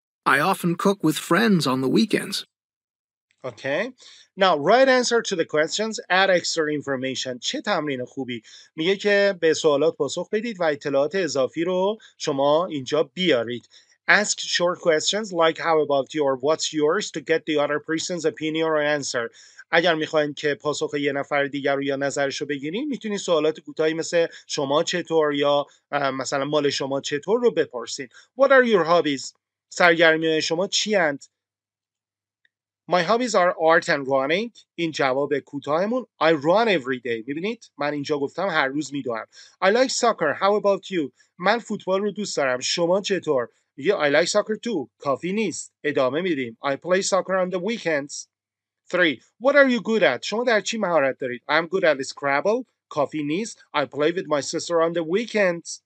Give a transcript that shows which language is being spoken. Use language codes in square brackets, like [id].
[en] I often cook with friends on the weekends. Okay. Now, right answer to the questions, add extra information. [fa] چه تمرین خوبی؟ میگه که به سوالات پاسخ بدید و اطلاعات اضافی رو شما اینجا بیارید. [en] Ask short questions like how about you or what's yours to get the other person's opinion or answer. [fa] اگر میخواین که پاسخ یه نفر دیگر رو یا نظرش رو بگیرین میتونین سوالات کوتاهی مثل شما چطور یا مثلا مال شما چطور رو بپرسین. [en] What are your hobbies? [fa] سرگرمی‌های شما چی اند؟ [en] My hobbies are art and running. [fa] این جواب کوتاهمون. [en] I run every day. [fa] میبینید؟ من اینجا گفتم هر روز میدوام. [en] I like soccer. How about you? [fa] من فوتبال رو دوست دارم. شما چطور؟ میگه [en] I like soccer too. [fa] کافی نیست. ادامه میدیم. [en] I play soccer on the weekends. 3. What are you good at? [fa] شما در چی مهارت دارید؟ [en] I'm good at Scrabble. [fa] کافی نیست. [en] I play with my sister on the weekends.